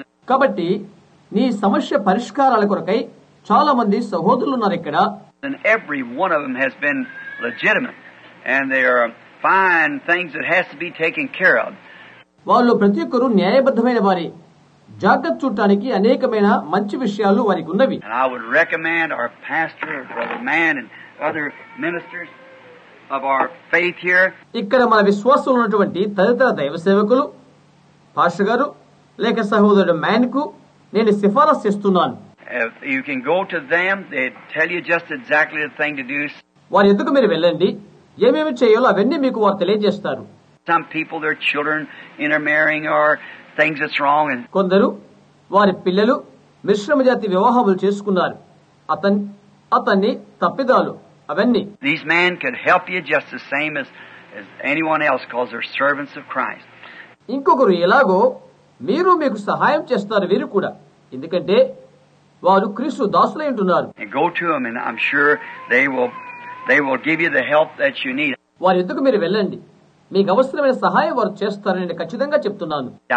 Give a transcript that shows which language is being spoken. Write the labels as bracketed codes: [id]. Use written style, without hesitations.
[te] కాబట్టి నీ సమస్య పరిష్కారాల కొరకై చాలా మంది సహోదరులు ఉన్నారు ఇక్కడ. [en] And every one of them has been legitimate and they are fine things that has to be taken care of. [te] వాళ్ళు ప్రతి ఒక్కరు న్యాయబద్ధమైన వారి, జాగ్రత్త చూడటానికి అనేకమైన మంచి విషయాలు వారికి ఉన్నవి. [en] And I would recommend our pastor or brother man and other ministers of our faith here. [te] ఇక్కడ మన విశ్వాసులు ఉన్నటువంటి తదితర దైవ సేవకులు, పాస్టర్ గారు లేక సహోదరుడు మ్యాన్ కు నేను సిఫారసు చేస్తున్నాను. [en] You can go to them, they tell you just exactly the thing to do. [te] వారి ఎందుకు మీరు వెళ్ళండి, ఏమేమి చేయాలో అవన్నీ మీకు వారు తెలియజేస్తారు. [en] Some people, their children intermarrying or things that's wrong. [te] కొందరు వారి పిల్లలు మిశ్రమ జాతి వివాహములు చేసుకున్నారు, అతన్ని తప్పిదాలు అవన్నీ. [en] These men could help you just the same as anyone else because they're servants of Christ. [te] ఇంకొకరు ఎలాగో మీరు మీకు సహాయం చేస్తారు వీరు కూడా, ఎందుకంటే వారు క్రీస్తు దాసులై ఉంటున్నారు. [en] Go to them and I'm sure they will give you the help that you need. [te] వారి ఎందుకు మీరు వెళ్ళండి, మీకు అవసరమైన సహాయం వారు చేస్తారని నేను ఖచ్చితంగా చెప్తున్నాను.